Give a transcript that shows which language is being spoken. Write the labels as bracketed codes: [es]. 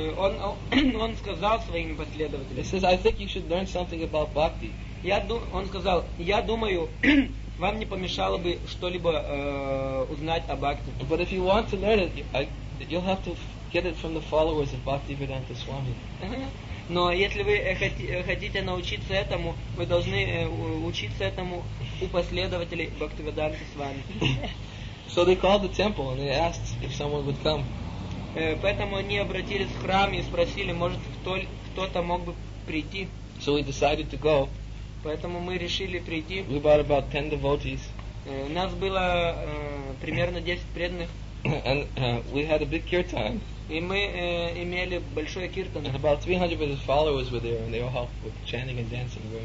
[ru] Он сказал своим последователям. [en] He says, I think you should learn something about bhakti. [ru] Он сказал, я думаю, вам не помешало бы что-либо узнать о бхакти. [en] But if you want to learn it, you'll have to get it from the followers of Bhaktivedanta Swami. [ru] Но если вы хотите научиться этому, вы должны учиться этому у последователей Бхактивиданты Свами. [en] So they called the temple and they asked if someone would come. [ru] Поэтому они обратились в храм и спросили, может кто-то мог бы прийти. [en] So we decided to go. [ru] Поэтому мы решили прийти. [en] We brought about 10 devotees. [ru] Нас было примерно 10 преданных. [en] And we had a big kirtan. [ru] И мы имели большой киртан. [en] And about 300 of his followers were there, and they all helped with chanting and dancing.